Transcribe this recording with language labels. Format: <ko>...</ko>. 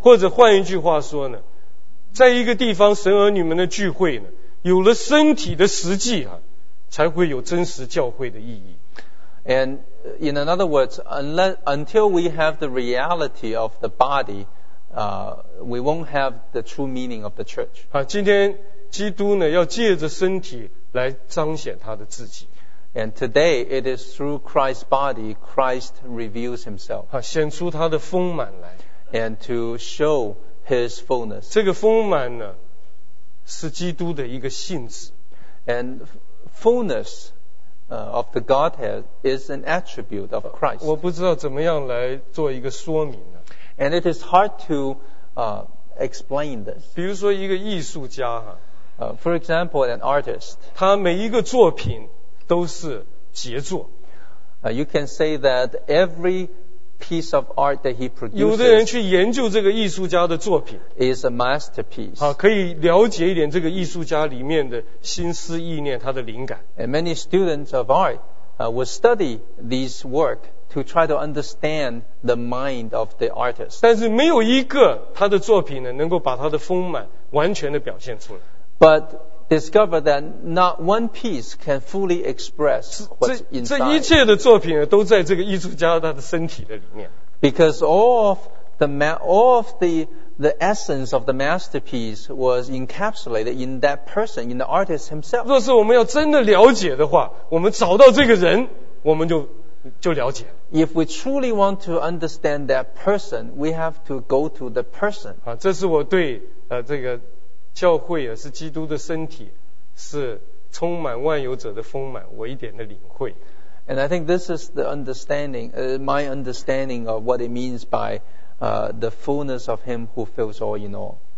<zh>或者换一句话说呢，在一个地方神儿女们的聚会呢，有了身体的实际啊，才会有真实教会的意义。</zh> <en>And in another words, until we have the reality of the body, we won't have the true meaning of the church.</en> <zh>啊，今天基督呢，要借着身体来彰显他的自己。</zh> <en>And today it is through Christ's body Christ reveals himself.</en> <zh>啊，显出他的丰满来。</zh> <en>And to show his fullness.</en> <zh>这个丰满呢，是基督的一个性质。</zh> <en>And fullness, of the Godhead is an attribute of Christ.</en> <zh>我不知道怎么样来做一个说明呢。</zh> <en>And it is hard to, explain this.</en> <zh>比如说一个艺术家哈。</zh> <en>For example, an artist.</en> <zh>他每一个作品都是杰作。</zh> <en>You can say that every piece of art that he produces.</en> <zh>有的人去研究这个艺术家的作品</zh> <en>is a masterpiece.</en> <zh>好，可以了解一点这个艺术家里面的心思意念，他的灵感。</zh> <en>And many students of art, will study these work to try to understand the mind of the artist.</en> <zh>但是没有一个他的作品呢，能够把他的丰满完全的表现出来。</zh> <en>But discover that not one piece can fully express what's inside.</en> <zh>这一切的作品都在这个艺术家他的身体的里面。</zh> <en>Because all of the essence of the masterpiece was encapsulated in that person, in the artist himself.</en> <zh>若是我们要真的了解的话，我们找到这个人，我们就了解。</zh> <en>If we truly want to understand that person, we have to go to the person.</en> <zh>啊，这是我对这个。教会啊，是基督的身体，是充满万有者的丰满，我一点的领会。</zh> <en>And I think this is the understanding, my understanding of what it means by, the fullness of him who fills all in all.</en>